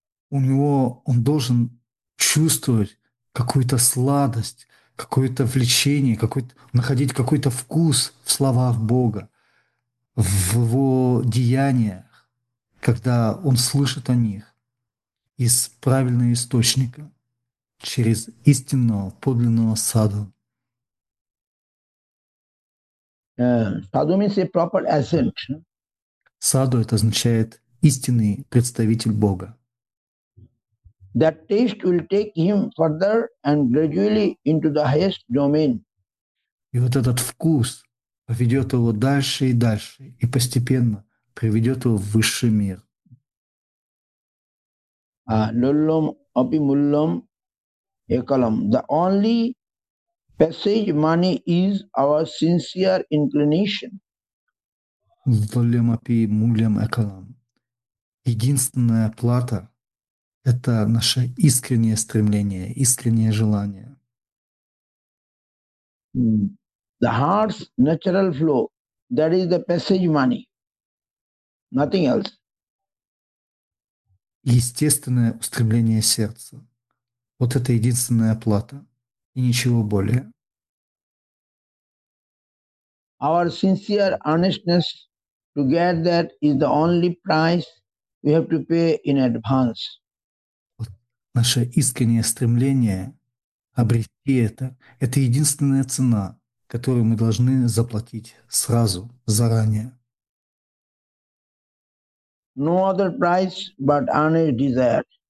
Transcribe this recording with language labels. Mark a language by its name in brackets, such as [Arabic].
[Russian] У него, он должен чувствовать какую-то сладость, какое-то влечение, находить какой-то вкус в словах Бога, в его деяниях, когда он слышит о них из правильного источника, через истинного, подлинного саду. [English] Sadhu means a proper ascent. [Russian] Саду – это означает истинный представитель Бога. [English] That taste will take him further and gradually into the highest domain. [Russian] И вот этот вкус поведет его дальше и дальше, и постепенно приведет его в высший мир. [Sanskrit] Lullum api mullum ekalam. [English] The only passage money is our sincere inclination. [Sanskrit] Lullum api mullum ekalam. [Russian] Единственная плата – это наше искреннее стремление, искреннее желание. [English] The heart's natural flow, that is the passage money, nothing else. [Russian] Естественное устремление сердца. Вот это единственная плата и ничего более. [English] Our sincere earnestness to get that is the only price we have to pay in advance. [Russian] Вот наше искреннее стремление обрести это единственная цена, которую мы должны заплатить сразу, заранее. [English] No other price but earnest desire.